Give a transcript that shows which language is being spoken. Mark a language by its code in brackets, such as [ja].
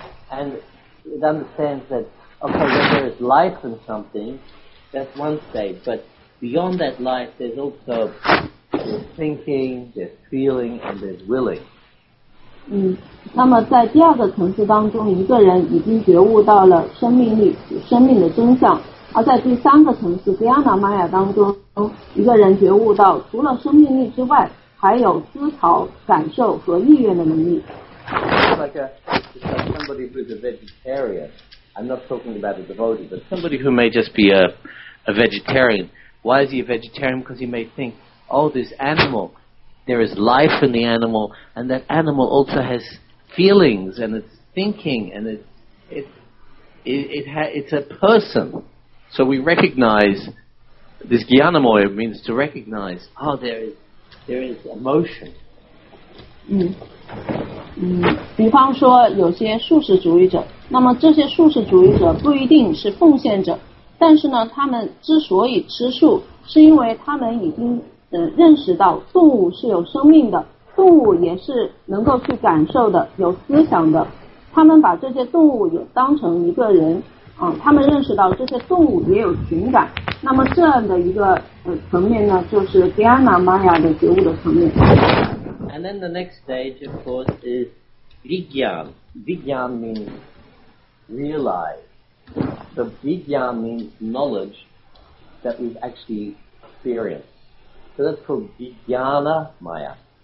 [en] And it understands that, okay, when there is life in something, that's one stage, but beyond that life, there's also there's thinking, there's feeling, and there's willing. [zh] 那么在第二个层次当中，一个人已经觉悟到了生命力与生命的真相。而在第三个层次 Dhyana Maya 当中，一个人觉悟到除了生命力之外，还有思考、感受和意愿的能力。 [en] Like somebody who is a vegetarian, I'm not talking about a devotee, but somebody who may just be a vegetarian. Why is he a vegetarian? Because he may think, oh, this animal, there is life in the animal, and that animal also has feelings and it's thinking and it's a person. So we recognize this Gyanamoya means to recognize, oh, there is emotion. [zh] 比方说有些素食主义者，那么这些素食主义者不一定是奉献者，但是呢，他们之所以吃素，是因为他们已经认识到动物是有生命的，动物也是能够去感受的，有思想的，他们把这些动物也当成一个人他们认识到这些动物也有情感，那么这样的一个层面呢，就是 Dhyana Maya 的觉悟的层面。 [en] And then the next stage, of course, is Vigyan. Vigyan means realize. So Vigyan means knowledge that we've actually experienced. So that's called Vigyana Maya.